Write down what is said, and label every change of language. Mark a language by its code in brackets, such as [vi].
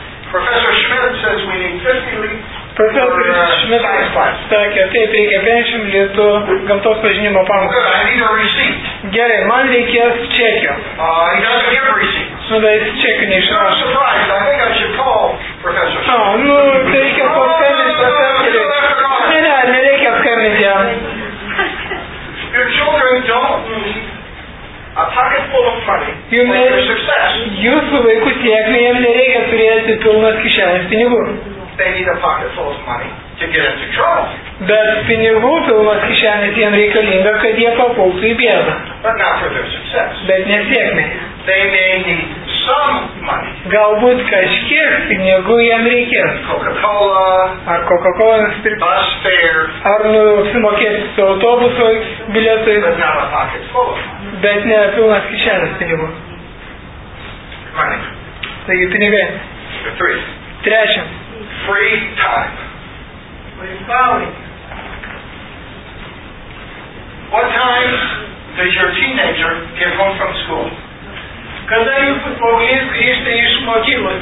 [en] Professor Schmidt says we need 50 liters. [lt] Profesor Schmidt sakė, taip, reikia 50 litrų gamtos pažinimo pamokai. [en] I need a receipt. [lt] Gerai, man reikės čekio. [en] He doesn't give receipts. [lt] Nu, tai jis čekio neišrašo. [en] I'm surprised, I think I should call Professor Schmidt. [lt] Nu, tai reikia paskambinti profesorių. Ne, ne, nereikia paskambinti jam. [en] Your children don't a pocket full of money for their success. [lt] Jūsų vaikų sėkmė, jam nereikia turėti pilnas kišenės pinigų. [en] They need a pocket full of money to get into trouble. [lt] Bet pinigų pilnas kišenės jiem reikalinga, kad jie papultų į bėdą. [en] But not for their success. [lt] Bet nesėkmė. [en] They may need some money. [lt] Galbūt kažkiek pinigų jiem reikės. [en] Coca-Cola. [lt] Ar Coca-Cola nusipirkti. [en] Bus fare. [lt] Ar sumokėti su autobuso bilietui. [en] But not a pocket full of money. [lt] Bet ne pilnas kišenės pinigų. [en] Money. [lt] Taigi pinigai. [en] Three. [lt] Trečia. [en] Free time. What time does your teenager get home from school? [lt] Kada jūsų paauglys grįžta iš mokyklos?